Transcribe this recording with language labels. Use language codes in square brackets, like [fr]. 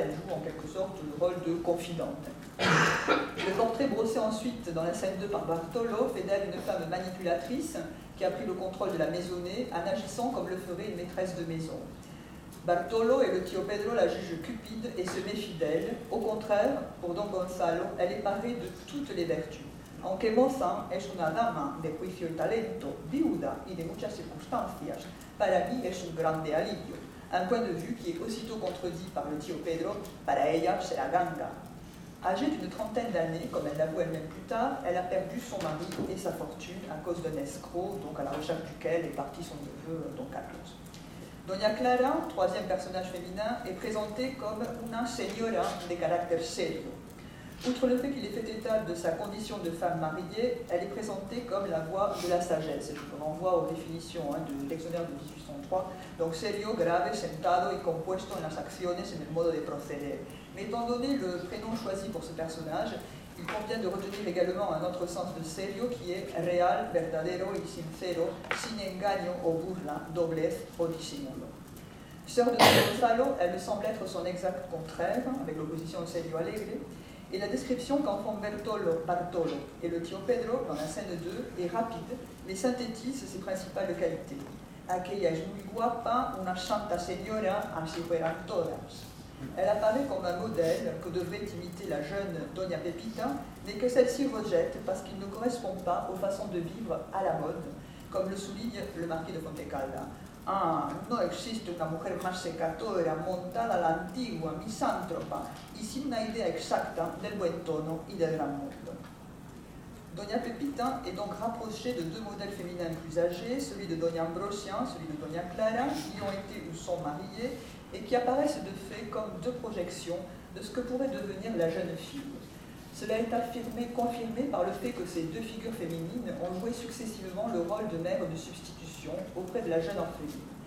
[fr] Elle joue en quelque sorte le rôle de confidente. Le portrait brossé ensuite dans la scène 2 par Bartolo fait d'elle une femme manipulatrice qui a pris le contrôle de la maisonnée en agissant comme le ferait une maîtresse de maison. Bartolo et le tio Pedro la jugent cupide et se méfient d'elle. Au contraire, pour Don Gonzalo, elle est parée de toutes les vertus. [es] Aunque moza es una dama de juicio y talento, viuda y de muchas circunstancias, para mí es un grande alivio. [fr] Un point de vue qui est aussitôt contredit par le tio Pedro, [es] para ella [fr] c'est la ganga. Âgée d'une trentaine d'années, comme elle l'avoue elle-même plus tard, elle a perdu son mari et sa fortune à cause d'un escroc, donc à la recherche duquel est parti son neveu, Don Carlos. Doña Clara, troisième personnage féminin, est présentée comme [es] una señora de [fr] caractère serio. Outre le fait qu'il est fait état de sa condition de femme mariée, elle est présentée comme la voix de la sagesse. Je vous renvoie aux définitions de l'exonère de 1803. [es] Donc, serio, grave, sentado y compuesto en las acciones en el modo de proceder. [fr] Mais étant donné le prénom choisi pour ce personnage, il convient de retenir également un autre sens de serio qui est [es] real, verdadero y sincero, sin engaño o burla, doblez o disimulo. [fr] Sœur de Gonzalo, elle semble être son exact contraire, avec l'opposition au serio alegre. Et la description qu'en font Bartolo et le tio Pedro dans la scène 2 est rapide, mais synthétise ses principales qualités. [es] Aquella es muy guapa, una santa señora, así fueran todas. [fr] Elle apparaît comme un modèle que devrait imiter la jeune Doña Pepita, mais que celle-ci rejette parce qu'il ne correspond pas aux façons de vivre à la mode, comme le souligne le marquis de Fontecalda. [es] Ah, no existe una mujer más secadora, montada a la antigua, misántropa, y sin una idea exacta del buen tono y del gran mundo. [fr] Doña Pepita est donc rapprochée de deux modèles féminins plus âgés, celui de Doña Ambrosia, celui de Doña Clara, qui ont été ou sont mariés, et qui apparaissent de fait comme deux projections de ce que pourrait devenir la jeune fille. Cela est affirmé, confirmé par le fait que ces deux figures féminines ont joué successivement le rôle de mère de substitution auprès de la jeune orpheline.